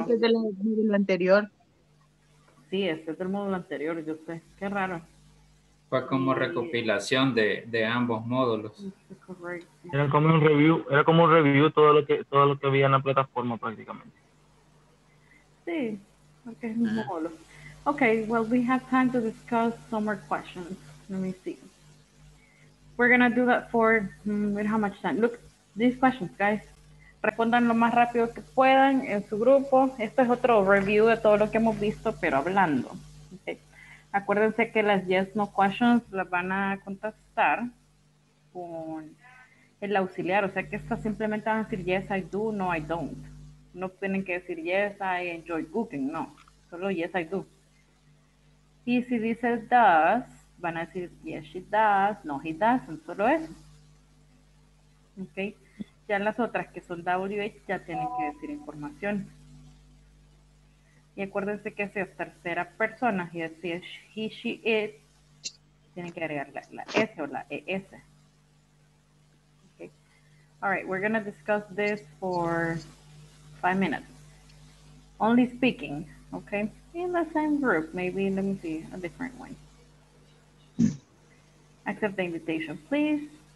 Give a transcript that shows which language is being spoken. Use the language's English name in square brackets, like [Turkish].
[Spanish] Este es del módulo anterior. Sí, este es del módulo anterior, yo sé. Qué raro. Fue como recopilación de ambos módulos. Era como un review, era como un review todo lo que había en la plataforma prácticamente. Sí, porque es un módulo. [English] Ok, well, we have time to discuss some more questions. Let me see. We're going to do that for, with how much time? Look, these questions, guys. [Spanish] Respondan lo más rápido que puedan en su grupo. Esto es otro review de todo lo que hemos visto, pero hablando. Okay. Acuérdense que las yes, no questions las van a contestar con el auxiliar. O sea, que estas simplemente van a decir [English] yes, I do, no, I don't. [Spanish] No tienen que decir [English] yes, I enjoy cooking, [Spanish] no. Solo [English] yes, I do. [Spanish] Y si dice does, van a decir [English] yes, she does, no, he doesn't, [Spanish] solo eso. Ok. Ya las otras que son WH ya tienen que decir información. Y acuérdense que si es tercera persona, y si es he, she, it, tienen que agregar la S o la ES. [English] Okay. All right, we're going to discuss this for 5 minutes. Only speaking, okay? In the same group, maybe, let me see, a different one. Accept the invitation, please.